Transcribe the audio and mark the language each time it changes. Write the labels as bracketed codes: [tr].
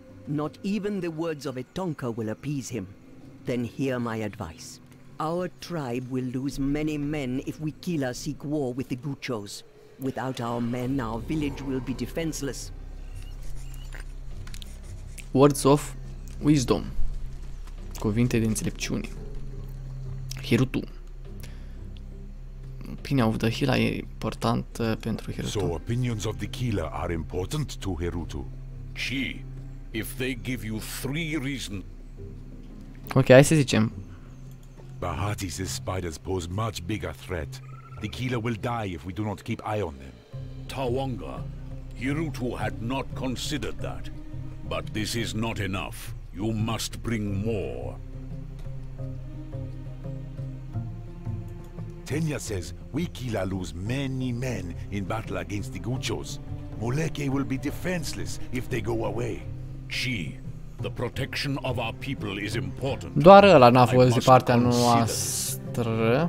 [en] Not even the words of a Tonka will appease him. Then hear my advice. Our tribe will lose many men if we Kila seek war with the Gucho's. Without our men, our village will be defenseless. Words of wisdom. [ro] Cuvinte de înțelepciune. Hirutu. Opinia [en] of the [ro] Kila e importantă pentru Hirutu. [en] So opinions of the Kila are important to Hirutu. Chi, if they give you three reasons. [ro] Ok, hai să zicem. [en] Bahati's spiders pose much bigger threat. The Kila will die if we do not keep eye on them. Tawanga, Hirutu had not considered that. But this is not enough. You must bring more. Tenya says we Kila lose many men in battle against the Guchos. Moleke will be defenseless if they go away. Chi, the protection of our people is important. [ro] Doar ăla n-a fost de partea noastră.